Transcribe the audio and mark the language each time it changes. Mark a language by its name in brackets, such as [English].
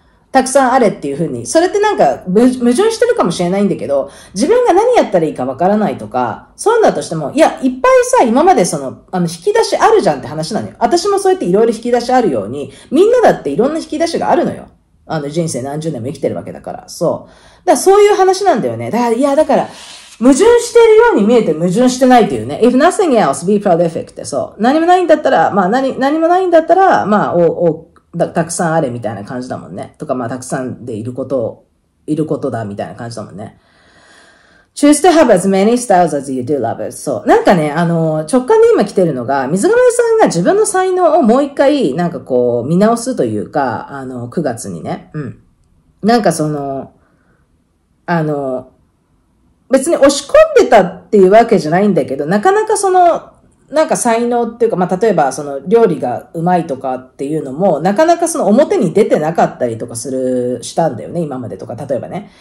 [Japanese] たくさんあれっていう風に、それってなんか矛盾してるかもしれないんだけど、自分が何やったらいいかわからないとか、そうなんだとしても、いや、いっぱいさ、今までその、引き出しあるじゃんって話なのよ。私もそうやっていろいろ引き出しあるように、みんなだっていろんな引き出しがあるのよ。人生何十年も生きてるわけだから、そう。だからそういう話なんだよね。だから、いや、だから、矛盾しているように見えて矛盾してないっていうね。 [English] If nothing else, be prolific [Japanese] って、そう。何もないんだったら、まあ、何もないんだったら、まあ、たくさんあれみたいな感じだもんね。とか、まあ、たくさんでいることだみたいな感じだもんね。 [English] Choose to have as many styles as you do love it. [Japanese] そう。なんかね、直感で今来てるのが、水上さんが自分の才能をもう一回、なんかこう、見直すというか、9月にね。うん。なんかその、別に押し込んでたっていうわけじゃないんだけど、なかなかその、なんか才能っていうか、まあ、例えばその料理がうまいとかっていうのも、なかなかその表に出てなかったりとかする、したんだよね、今までとか、例えばね。